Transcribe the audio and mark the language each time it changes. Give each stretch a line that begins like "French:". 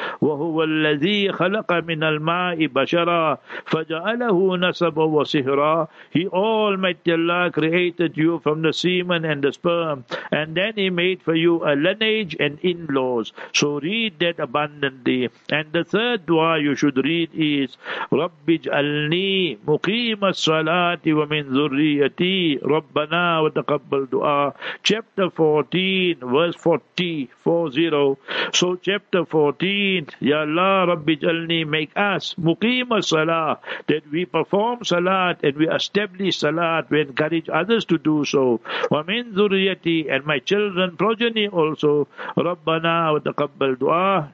Arabic: وَهُوَ الَّذِي خَلَقَ مِنَ الْمَاءِ بَشَرًا فَجَعَلَهُ نَسَبًا وَصِهْرًا.
English: He, Almighty Allah, created you from the semen and the sperm, and then he made for you a lineage and in-laws. So read that abundantly. And the third dua you should read is
Arabic: رَبِّ جَعَلْنِي مُقِيمَ الصَّلَاةِ وَمِنْ ذُرِّيَّتِي رَبَّنَا وَتَقَبَّلْ دُعَى.
English: Chapter 14, verse 40. So chapter 14, Ya Allah,
Arabic: رَبِّ جَعَلْنِي,
English: make us
Arabic: مُقِيمَ الصَّلَاةِ,
English: that we perform salat and we establish salat, we encourage others to do so.
Arabic: وَمِنْ ذُرِّيَّتِي,
English: and my children, progeny also,
Arabic: رَبَّنَا وَتَقَبَّلْ دُعَى.